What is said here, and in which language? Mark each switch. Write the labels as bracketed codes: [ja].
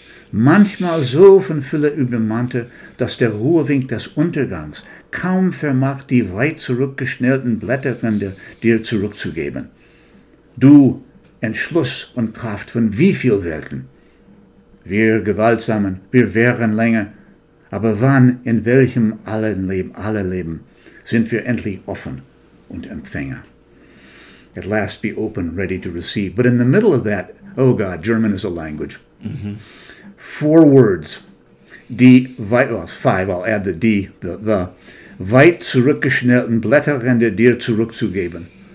[de] Manchmal so von Fülle übermannte, dass der Ruhewink des Untergangs kaum vermag, die weit zurückgeschnellten Blätterrinde dir zurückzugeben. Du, Entschluss und Kraft von wie viel Welten? Wir Gewaltsamen, wir wären länger, aber wann, in welchem alle Leben, sind wir endlich offen und Empfänger? [en] At last be open, ready to receive. But in the middle of that, oh God, German is a language. Four words, the [de] weit zurückgeschnellten Blätterrinde dir zurückzugeben.